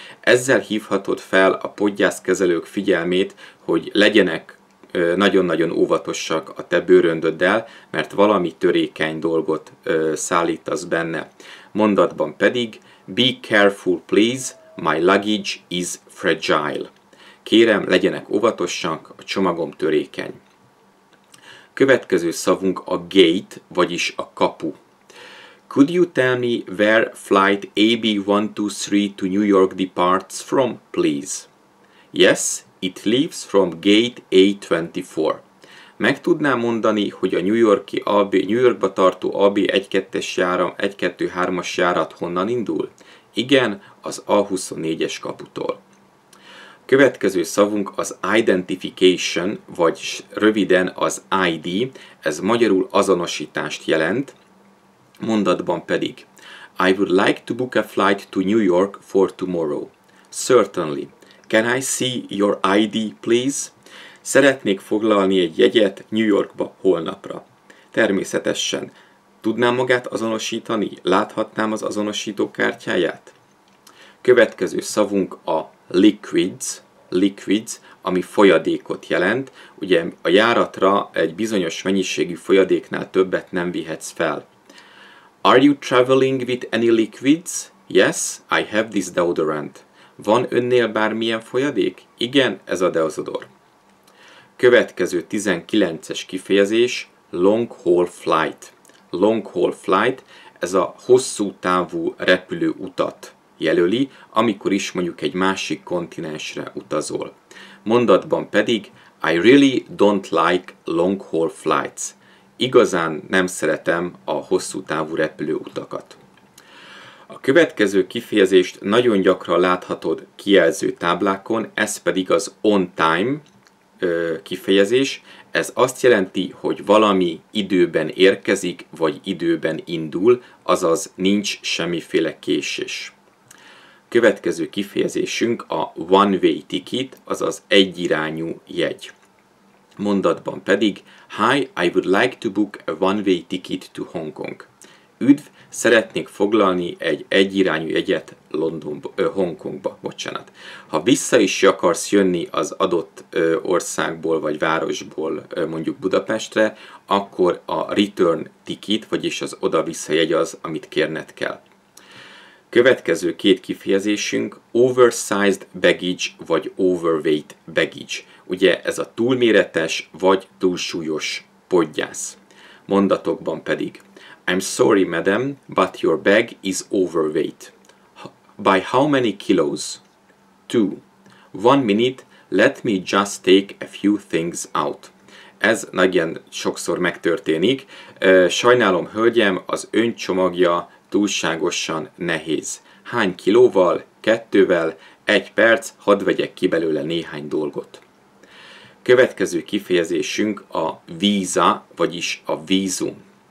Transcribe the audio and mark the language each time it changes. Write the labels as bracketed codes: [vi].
[hu] Ezzel hívhatod fel a podgyászkezelők figyelmét, hogy legyenek nagyon-nagyon óvatosak a te bőröndöddel, mert valami törékeny dolgot szállítasz benne. Mondatban pedig, [en] be careful please, my luggage is fragile. [hu] Kérem, legyenek óvatosak, a csomagom törékeny. Következő szavunk a gate, vagyis a kapu. [en] Could you tell me where flight AB123 to New York departs from, please? Yes, it leaves from gate A24. [hu] Meg tudnám mondani, hogy a New Yorkba tartó AB123-as járat honnan indul? Igen, az A24-es kaputól. Következő szavunk az identification, vagy röviden az ID, ez magyarul azonosítást jelent. Mondatban pedig, [en] I would like to book a flight to New York for tomorrow. Certainly. Can I see your ID, please? [hu] Szeretnék foglalni egy jegyet New Yorkba holnapra. Természetesen. Tudnám magát azonosítani? Láthatnám az azonosító kártyáját? Következő szavunk a liquids, ami folyadékot jelent. Ugye a járatra egy bizonyos mennyiségű folyadéknál többet nem vihetsz fel. [en] Are you traveling with any liquids? Yes, I have this deodorant. [hu] Van önnél bármilyen folyadék? Igen, ez a deodor. Következő 19-es kifejezés, long haul flight. Long haul flight, ez a hosszú távú repülőutat jelöli, amikor is mondjuk egy másik kontinensre utazol. Mondatban pedig [en] I really don't like long-haul flights. [hu] Igazán nem szeretem a hosszú távú repülőutakat. A következő kifejezést nagyon gyakran láthatod kijelző táblákon, ez pedig az on time kifejezés. Ez azt jelenti, hogy valami időben érkezik, vagy időben indul, azaz nincs semmiféle késés. Következő kifejezésünk a one-way ticket, azaz egyirányú jegy. Mondatban pedig, [en] Hi, I would like to book a one-way ticket to Hong Kong. [hu] Üdv, szeretnék foglalni egy egyirányú jegyet Hongkongba, bocsánat. Ha vissza is akarsz jönni az adott országból vagy városból mondjuk Budapestre, akkor a return ticket, vagyis az oda-vissza jegy az, amit kérned kell. Következő két kifejezésünk, oversized baggage vagy overweight baggage. Ugye ez a túlméretes vagy túlsúlyos poggyász. Mondatokban pedig, [en] I'm sorry, madam, but your bag is overweight. By how many kilos? 2. 1 minute, let me just take a few things out. [hu] Ez nagyon sokszor megtörténik. Sajnálom, hölgyem, az ön csomagja túlságosan nehéz. Hány kilóval? 2-vel? 1 perc, hadd vegyek ki belőle néhány dolgot. Következő kifejezésünk a visa, vagyis a vízum.